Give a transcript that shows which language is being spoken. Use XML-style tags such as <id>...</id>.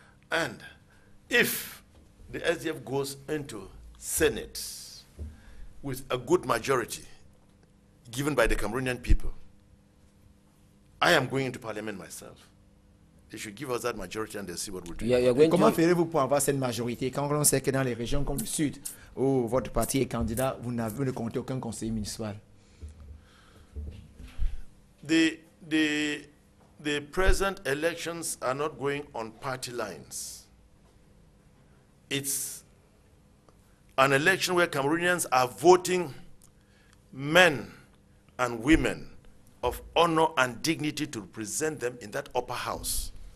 <en>And if the SDF goes into Senate with a good majority given by the Cameroonian people, I am going into parliament myself. They should give us that majority and they'll see what we'll do.</en> <fr>Comment ferez-vous pour avoir cette majorité quand on sait que dans les régions comme le Sud, où votre parti est candidat, vous ne comptez aucun conseiller municipal?</fr> <en>The present elections are not going on party lines. It's an election where Cameroonians are voting men and women of honor and dignity to represent them in that upper house.</en>